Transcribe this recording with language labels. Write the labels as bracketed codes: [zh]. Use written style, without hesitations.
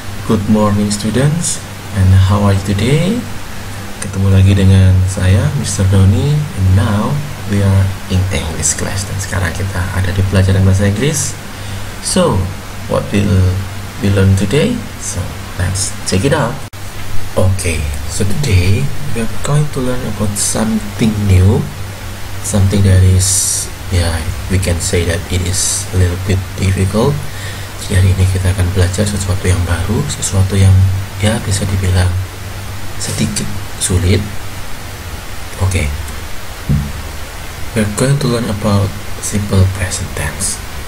[en] Good morning students, and how are you today? [id] Ketemu lagi dengan saya, Mr. [en] Doni, and now we are in English class. [id] Dan sekarang kita ada di pelajaran bahasa Inggris. [en] So, what will we learn today? So, let's check it out. Oke, so today we are going to learn about something new, something that is yeah, we can say that it is a little bit difficult. [id] Jadi hari ini kita akan belajar sesuatu yang baru, sesuatu yang ya bisa dibilang sedikit sulit. Oke. [en] We're going to learn about simple present tense.